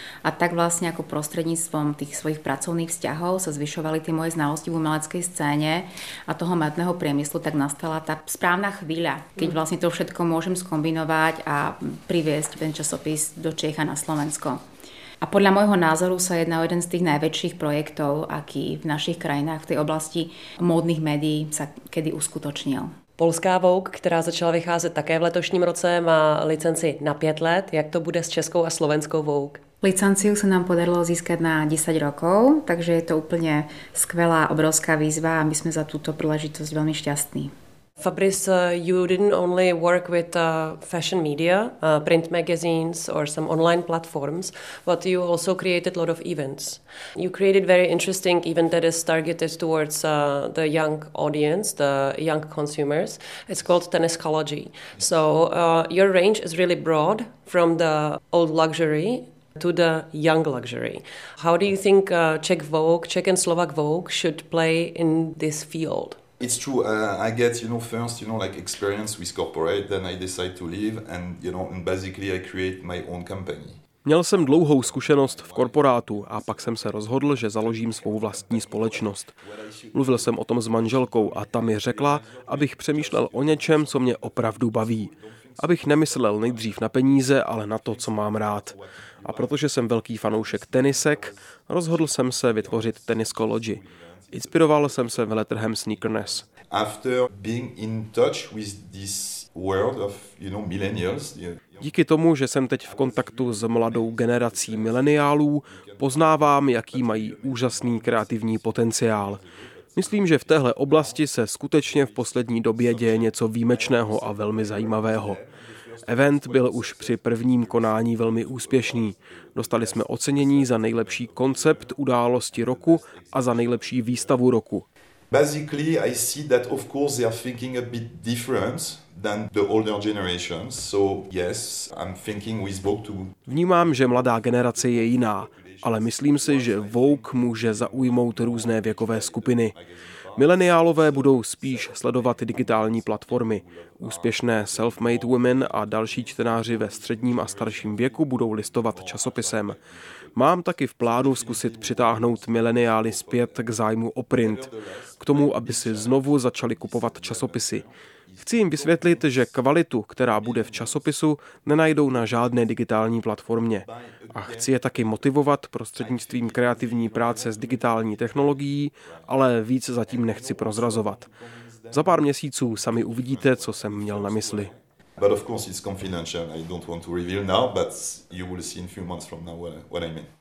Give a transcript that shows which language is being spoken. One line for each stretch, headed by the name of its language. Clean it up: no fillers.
Slovak: A tak vlastne ako prostredníctvom tých svojich pracovných vzťahov sa zvyšovali tie moje znalosti v umeleckej scéne a toho módneho priemyslu, tak nastala tá správna chvíľa, keď vlastne to všetko môžem skombinovať a priviesť ten časopis do Čech a na Slovensko. A podľa môjho názoru sa jedná o jeden z tých najväčších projektov, aký v našich krajinách v tej oblasti módnych médií sa kedy uskutočnil.
Czech: Polská Vogue, která začala vycházet také v letošním roce, má licenci na 5 let. Jak to bude s českou a slovenskou Vogue?
Slovak: Licenciu sa nám podarilo získať na 10 rokov, takže je to úplne skvelá, obrovská výzva a my sme za túto príležitosť veľmi šťastní.
English: Fabrice, you didn't only work with fashion media, print magazines or some online platforms, but you also created a lot of events. You created very interesting event that is targeted towards the young audience, the young consumers. It's called Tenniscology. So your range is really broad from the old luxury to the young luxury. How do you think Czech Vogue, Czech and Slovak Vogue should play in this field? It's true. I get, you know, first, you know, like experience with corporate, then I decide to leave and, you know, and basically I create my own company.
Czech: Měl jsem dlouhou zkušenost v korporátu a pak jsem se rozhodl, že založím svou vlastní společnost. Mluvil jsem o tom s manželkou a ta mi řekla, abych přemýšlel o něčem, co mě opravdu baví. Abych nemyslel nejdřív na peníze, ale na to, co mám rád. A protože jsem velký fanoušek tenisek, rozhodl jsem se vytvořit Tenniscology. Inspiroval jsem se veletrhem Sneakerness.
English: After being in touch with this world of, you know, millennials.
Czech: Díky tomu, že jsem teď v kontaktu s mladou generací mileniálů, poznávám, jaký mají úžasný kreativní potenciál. Myslím, že v téhle oblasti se skutečně v poslední době děje něco výjimečného a velmi zajímavého. Event byl už při prvním konání velmi úspěšný. Dostali jsme ocenění za nejlepší koncept události roku a za nejlepší výstavu roku.
English: Basically, I see that of course they are thinking a bit different than the older generations. So yes, I'm thinking with Vogue too.
Czech: Vnímám, že mladá generace je jiná. ale myslím si, že Vogue může zaujmout různé věkové skupiny. Mileniálové budou spíš sledovat digitální platformy. Úspěšné self-made women a další čtenáři ve středním a starším věku budou listovat časopisem. Mám taky v plánu zkusit přitáhnout mileniály zpět k zájmu o print, k tomu, aby si znovu začali kupovat časopisy. Chci jim vysvětlit, že kvalitu, která bude v časopisu, nenajdou na žádné digitální platformě. A chci je taky motivovat prostřednictvím kreativní práce s digitální technologií, ale víc zatím nechci prozrazovat. Za pár měsíců sami uvidíte, co jsem měl na mysli.
English: But of course it's confidential. I don't want to reveal now, but you will see in few months from now what I mean.